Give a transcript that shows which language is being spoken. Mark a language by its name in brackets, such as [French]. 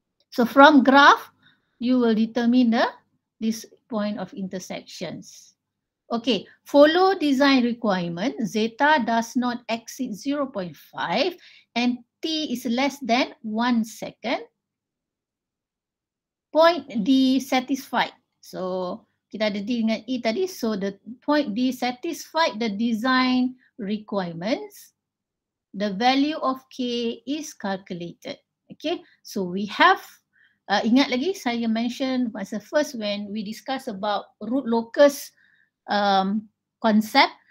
[English] So from graph, you will determine this point of intersections. Okay. Follow design requirement. Zeta does not exceed 0.5 and T is less than 1 second. Point D satisfied. [Malay] So kita ada D dengan E tadi. [English] So the point D satisfied the design requirements. The value of K is calculated. Okay. So we have, [Malay] ingat lagi saya [English] mention masa first when we discuss about root locus concept.